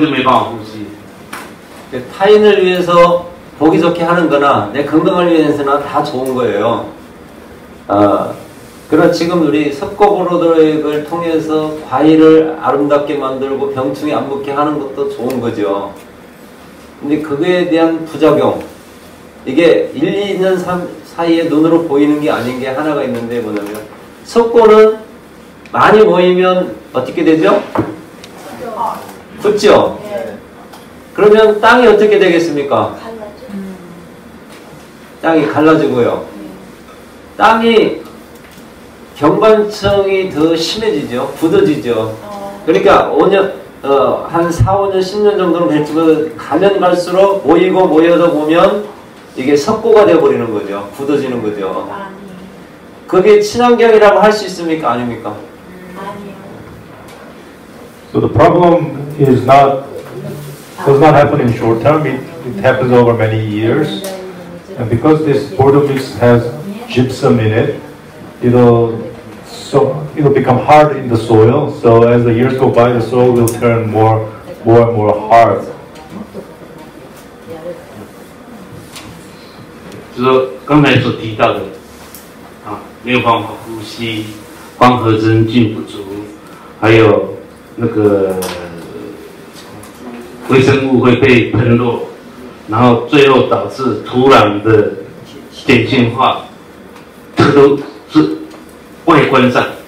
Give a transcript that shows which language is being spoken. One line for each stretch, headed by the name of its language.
Chinese: 对苹果来讲，他没办法呼吸，啊，就好像女生化妆，为了要让人家觉得她好看，就在脸上涂抹上化妆品一样。你涂抹上去以后，这个地方就没办法呼吸。对，
Korean: 타인을 위해서 보기 좋게 하는 거나 내 건강을 위해서나 다 좋은 거예요. 그럼 지금 우리 석고보로드를 통해서 과일을 아름답게 만들고 병충해 안 붙게 하는 것도 좋은 거죠. 근데 그거에 대한 부작용. 이게 1, 2년 사이에 눈으로 보이는 게 아닌 게 하나가 있는데 뭐냐면 석고는 많이 모이면 어떻게 되죠? 붙죠? 그러면 땅이 어떻게 되겠습니까? 땅이 갈라지고요. 땅이 경반층이 더 심해지죠. 굳어지죠. 그러니까 5년, 한 4, 5년, 10년 정도는 될지만 가면 갈수록 모이고 모여다 보면 이게 석고가 되어버리는 거죠. 굳어지는 거죠. 그게 친환경이라고 할 수 있습니까? 아닙니까?
English: So the problem is not, does not happen in short term. It happens over many years. And because this border mix has gypsum in it, it'll become hard in the soil. So as the years go by, the soil will turn more and more hard.
Chinese: 就是刚才所提到的，啊，没有办法呼吸，光合成菌不足，还有那个微生物会被喷落，然后最后导致土壤的碱性化，这都是外观上。